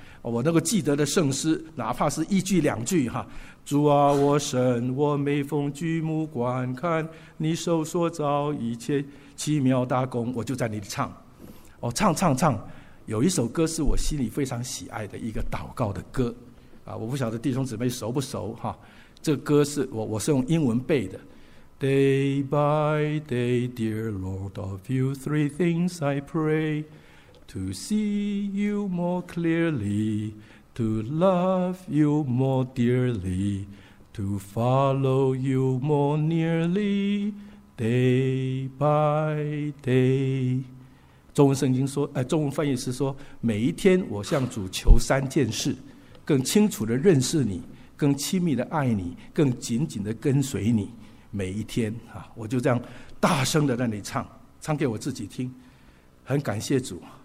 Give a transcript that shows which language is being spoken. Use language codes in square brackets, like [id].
[zh] 我那个记得的圣诗，哪怕是一句两句主啊我神，我每逢举目观看你手所造一切奇妙大功，我就在那里唱唱唱唱。有一首歌是我心里非常喜爱的一个祷告的歌我不晓得弟兄姊妹熟不熟这歌是我是用英文背的。 [en] Day by day, dear Lord of you, three things I pray: To see you more clearly, To love you more dearly, To follow you more nearly, Day by day。 [zh] 中文圣经说中文翻译是说，每一天我向主求三件事：更清楚的认识你，更亲密的爱你，更紧紧的跟随你。每一天我就这样大声的在那里唱，唱给我自己听，很感谢主。